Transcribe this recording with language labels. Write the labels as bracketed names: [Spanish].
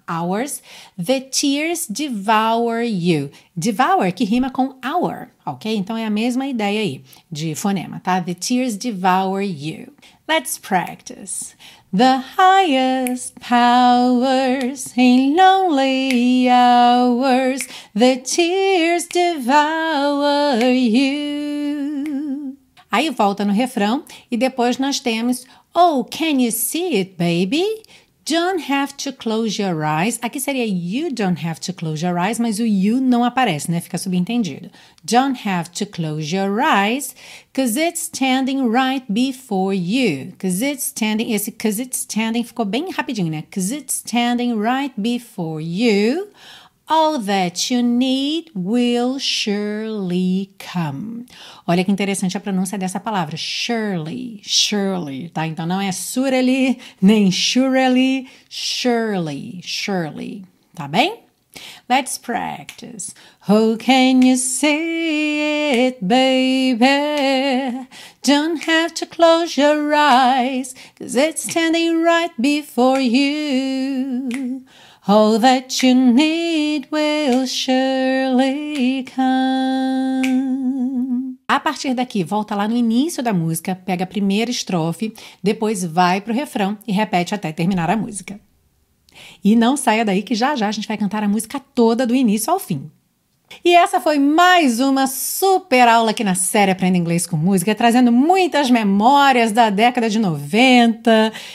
[English] Hours, the tears devour you. [Portuguese] Devour, que rima com hour, ok? Então é a mesma ideia aí de fonema, tá? [English] The tears devour you. Let's practice. The highest powers in lonely hours, the tears devour you. [Portuguese] Aí volta no refrão e depois nós temos, [English] oh, can you see it, baby? Don't have to close your eyes. [Portuguese] Aqui seria [English] you don't have to close your eyes, [Portuguese] mas o you não aparece, né? Fica subentendido. [English] Don't have to close your eyes, cause it's standing right before you. Cause it's standing, [Portuguese] esse [English] cause it's standing [Portuguese] ficou bem rapidinho, né? [English] Cause it's standing right before you. All that you need will surely come. [Portuguese] Olha que interessante a pronúncia dessa palavra. Surely, surely, tá? Então não é surely, nem surely, surely, surely, tá bem? [English] Let's practice. Who can you see it, baby? Don't have to close your eyes, 'cause it's standing right before you. All that you need will surely come. [Portuguese] A partir daqui, volta lá no início da música, pega a primeira estrofe, depois vai pro refrão e repete até terminar a música. E não saia daí que já a gente vai cantar a música toda do início ao fim. E essa foi mais uma super aula aqui na série Aprenda Inglês com Música, trazendo muitas memórias da década de 90.